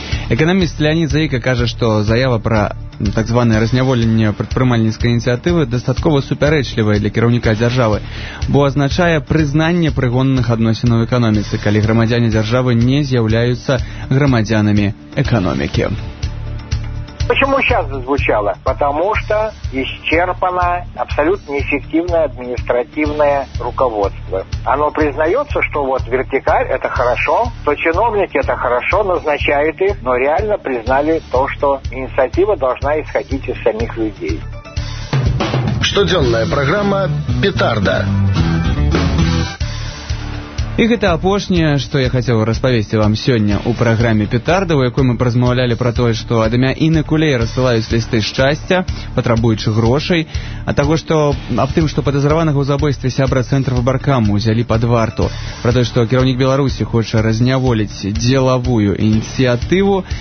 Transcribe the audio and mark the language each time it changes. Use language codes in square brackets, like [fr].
[be] Эканаміст Леонід Заіка кажа, што заява пра так званое разняволенне прадпрымальніцкай ініцыятывы дастаткова супярэчлівая для кіраўніка дзяржавы, бо азначае прызнанне прыгонных адносін у эканоміцы, калі грамадзяне дзяржавы не з'яўляюцца грамадзянамі эканомікі. [ru] Почему сейчас зазвучало? Потому что исчерпано абсолютно неэффективное административное руководство. Оно признается, что вот вертикаль – это хорошо, что чиновники – это хорошо, назначают их, но реально признали то, что инициатива должна исходить из самих людей. [be] Штодзённая программа «Петарда». І гэта апошняе, што я хацеў распавесці вам сёння ў праграме «Петарда», у якой мы празмаўлялі пра тое, што ад імя Інны Кулей рассылаюць лісты шчасця, патрабуючы грошай, а таго, што аб тым, што падазраванага ў забойстве сябра цэнтра выбаркаму ўзялі пад варту, пра тое, што кіраўнік Беларусі хоча разняволіць дзелавую ініцыятыву,